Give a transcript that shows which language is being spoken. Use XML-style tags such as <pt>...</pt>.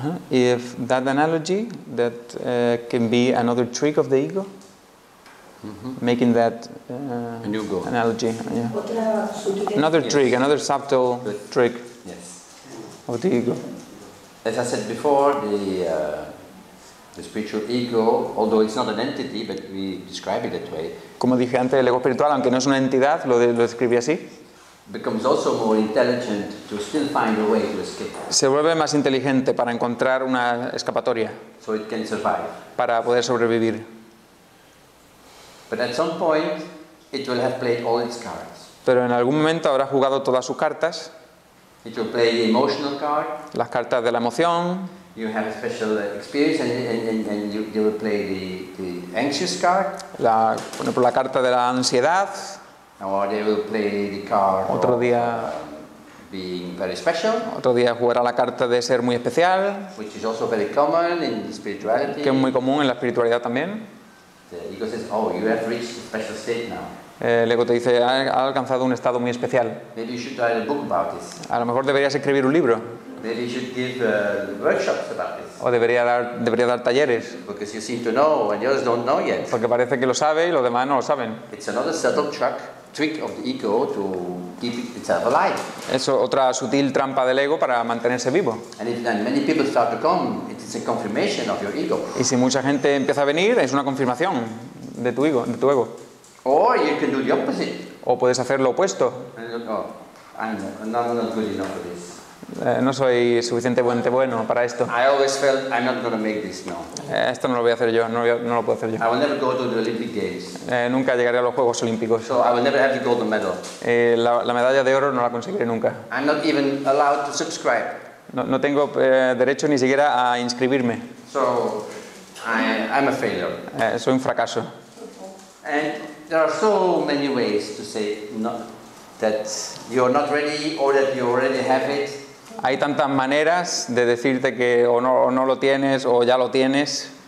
<en>If that analogy that can be another trick of the ego, making that a new goal. Analogy, yeah.</en> <es>Otra,</es> <en>another yes. Trick, another subtle good. Trick yes. Of the ego. As I said before, the spiritual ego, although it's not an entity, but we describe it that way.</en> <es>Como dije antes, el ego espiritual, aunque no es una entidad, lo describí así.</es> <en>Becomes also more intelligent to still find a way to escape.</en> <es>Se vuelve más inteligente para encontrar una escapatoria.</es> <en>So it can survive.</en> <es>Para poder sobrevivir.</es> <en>But at some point, it will have played all its cards.</en> <es>Pero en algún momento habrá jugado todas sus cartas.</es> <en>It will play the emotional card.</en> <es>Las cartas de la emoción.</es> <en>You have a special experience and you will play the anxious card.</en> <es>La carta de la ansiedad.</es> <en>Or they will play the card.</en> <es>Otro día,</es> <en>being very special.</en> <es>Otro día jugará la carta de ser muy especial.</es> <en>Which is also very common in spirituality.</en> <es>Que es muy común en la espiritualidad también.</es> <en>The ego says, "Oh, you have reached a special state now."</en> <es>El ego te dice, ha alcanzado un estado muy especial.</es> <en>Maybe you should write a book about this.</en> <es>A lo mejor deberías escribir un libro.</es> <en>Maybe you should give workshops about this.</en> <es>O debería dar talleres.</es> <en>Because you seem to know and others don't know yet.</en> <es>Porque parece que lo sabe y los demás no lo saben.</es> <en>It's another subtle trick of the ego to keep itself alive.</en> <es>Es otra sutil trampa del ego para mantenerse vivo.</es> <en>And if then many people start to come, it is a confirmation of your ego.</en> <es>Y si mucha gente empieza a venir, es una confirmación de tu ego. De tu ego.</es> <en>Or you can do the opposite.</en> <es>O puedes hacer lo opuesto.</es> <en>I'm not good enough for this.</en> <es>No soy suficientemente bueno para esto.</es> <en>I always felt I'm not going to make this, no.</en> <es>Esto no lo voy a hacer yo, no lo puedo hacer yo.</es> <en>I will never go to the Olympic Games.</en> <es>Nunca llegaré a los Juegos Olímpicos.</es> <en>So I will never have the gold medal.</en> <es>La medalla de oro no la conseguiré nunca.</es> <en>I'm not even allowed to subscribe.</en> <es>No tengo derecho ni siquiera a inscribirme.</es> <en>So I'm a failure.</en> <es>Soy un fracaso.</es> <en>And there are so many ways to say no, that you're not ready or that you already have it.</en> <es>Hay tantas maneras de decirte que o no lo tienes o ya lo tienes.</es>